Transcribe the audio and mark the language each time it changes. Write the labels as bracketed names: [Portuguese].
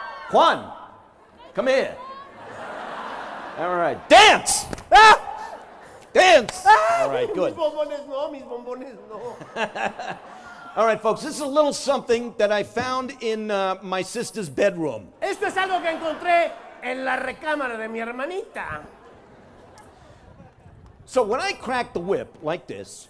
[English] Juan, come here. All right, dance! Ah! Dance! All right, good. [Spanish] Mis bombones no, mis bombones no. [English] All right, folks, this is a little something that I found in my sister's bedroom. [Spanish] Esto es algo que encontré en la recámara de mi hermanita. [English] So when I crack the whip like this,